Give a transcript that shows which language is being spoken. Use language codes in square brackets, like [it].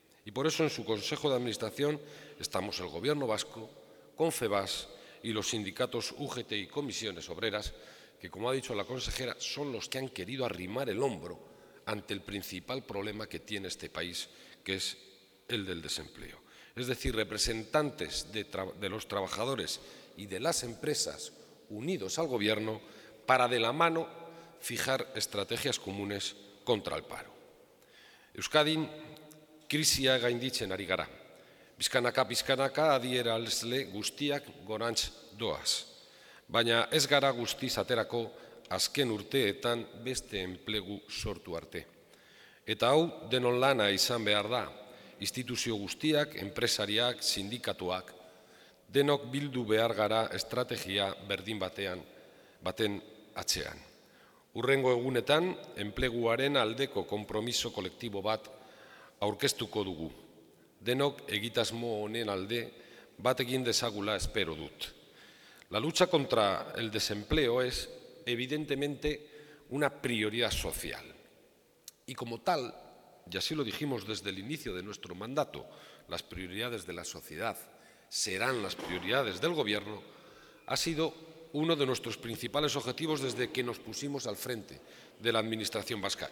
[es] Y por eso en su Consejo de Administración estamos el Gobierno Vasco, Confebas y los sindicatos UGT y Comisiones Obreras, que, como ha dicho la consejera, son los que han querido arrimar el hombro ante el principal problema que tiene este país, que es el del desempleo. Es decir, representantes de los trabajadores y de las empresas unidos al Gobierno para, de la mano, fijar estrategias comunes contra el paro. [eu] Euskadin, krisia gainditzen ari gara. Bizkanaka, bizkanaka, adierazle guztiak gorantz doaz. Baina ez gara guztiz aterako azken urteetan beste enplegu sortu arte. Eta hau denon lana izan behar da. Instituzio guztiak, enpresariak, sindikatuak, denok bildu behar gara estrategia berdin baten atzean. Urrengo egunetan, enpleguaren aldeko konpromiso kolektibo bat aurkeztuko dugu. Denok egitasmo honen alde bat egin dezagula espero dut. [es] La lucha contra el desempleo es, evidentemente, una prioridad social. Y como tal, y así lo dijimos desde el inicio de nuestro mandato, las prioridades de la sociedad serán las prioridades del Gobierno, ha sido uno de nuestros principales objetivos desde que nos pusimos al frente de la Administración vasca.